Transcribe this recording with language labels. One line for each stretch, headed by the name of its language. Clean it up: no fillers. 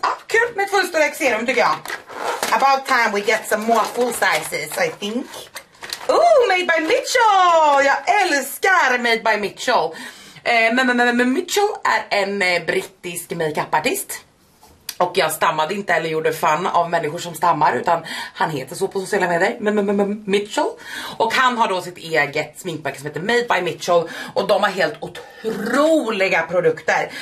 Swedish: Ah, kul med ett fullstorlek serum tycker jag.
English: About time we get some more full sizes, I think. Ooh, made by Mitchell!
Swedish: Jag älskar made by Mitchell. Men Mitchell är en brittisk makeupartist. Och jag stammade inte eller gjorde fan av människor som stammar, utan han heter så på sociala medier, Mitchell. Och han har då sitt eget sminkmärke som heter Made by Mitchell. Och de har helt otroliga produkter.